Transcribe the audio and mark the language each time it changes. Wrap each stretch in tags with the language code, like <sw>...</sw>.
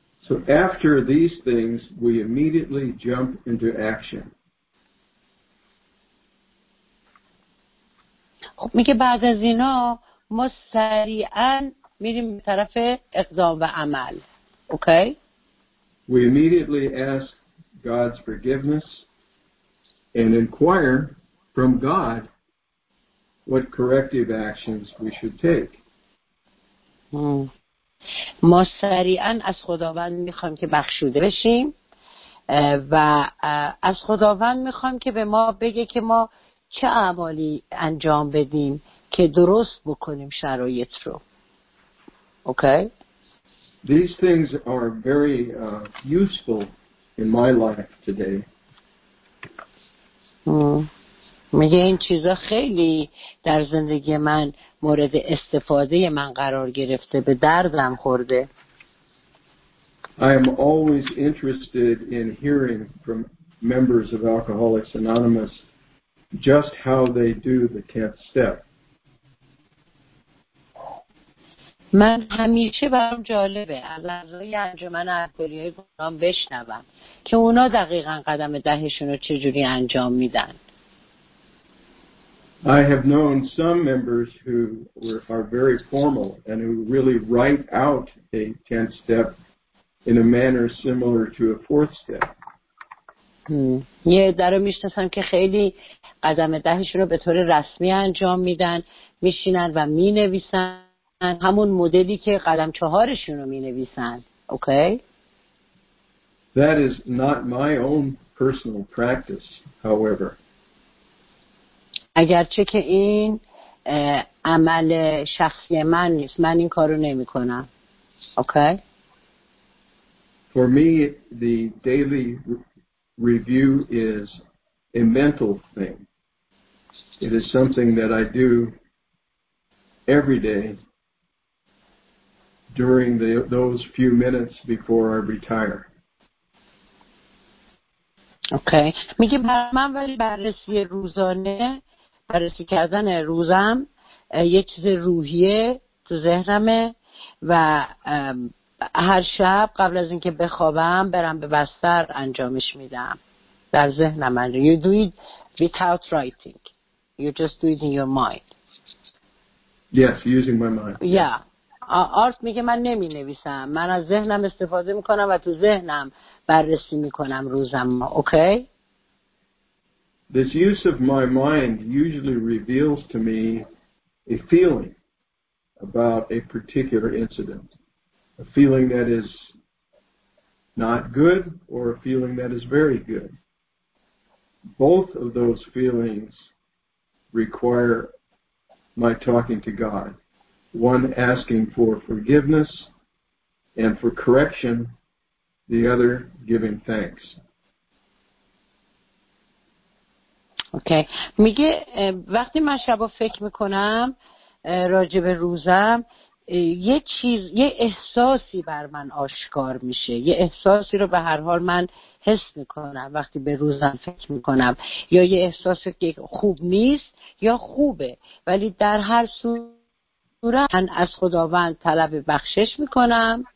<en>So after these things, we immediately jump into action.</en> <fa>خب میگه بعد از اینا ما سریعاً میریم به طرف اقدام و عمل. اوکی؟</fa> <en>We immediately ask God's forgiveness and inquire from God what corrective actions we should take.</en> <fa>ما سریعاً از خداوند میخوایم که بخشوده بشیم و از خداوند میخوایم که به ما بگه که ما چه اعمالی انجام بدیم که درست بکنیم شرایط رو. اوکی؟</fa> <en>These things are very useful in my life today.</en> <fa>میگه این چیزا خیلی در زندگی من مورد استفاده من قرار گرفته، به دردم خورده.</fa> <en>I am always interested in hearing from members of Alcoholics Anonymous just how they do the 10th step.</en> <fa>من همیشه برام جالبه از اعضای انجمن الکلی‌های گمنام بشنوم که اونا دقیقاً قدم دهشون رو چه جوری انجام میدن.</fa> <en>I have known some members who are very formal and who really write out a 10th step in a manner similar to a 4th step.</en> <fa>یه دارو میشناسم که خیلی قدم دهشون رو به طور رسمی انجام میدن، میشینن و مینویسن همون مدلی که قدم چهارشون رو مینویسن. اوکی؟</fa> <en>That is not my own personal practice, however.</en> <fa>اگرچه که این عمل شخصی من نیست، من این کارو نمی کنم. اوکی؟</fa> <en>For me the daily review is a mental thing. It is something that I do every day during those few minutes before I retire.</en> <fa>اوکی. میگه برای من ولی بررسی روزانه، بررسی کردن روزم یه چیز روحیه تو ذهنمه و هر شب قبل از اینکه بخوابم برم به بستر انجامش میدم در ذهنم.</fa> <en>You do it without writing. You just do it in your mind. Yes, using my mind. Yeah.</en> <fa>آرت میگه من نمی نویسم، من از ذهنم استفاده میکنم و تو ذهنم بررسی میکنم روزم. اوکی؟</fa> <en>This use of my mind usually reveals to me a feeling about a particular incident, a feeling that is not good or a feeling that is very good. Both of those feelings require my talking to God, one asking for forgiveness and for correction, the other giving thanks.</en> <fa>اوکی. میگه وقتی من شبو فکر میکنم راجب روزم، یه احساسی بر من آشکار میشه، یه احساسی رو به هر حال من حس میکنم وقتی به روزم فکر میکنم، یا یه احساسی که خوب نیست یا خوبه، ولی در هر صورت من از خداوند طلب بخشش میکنم.</fa>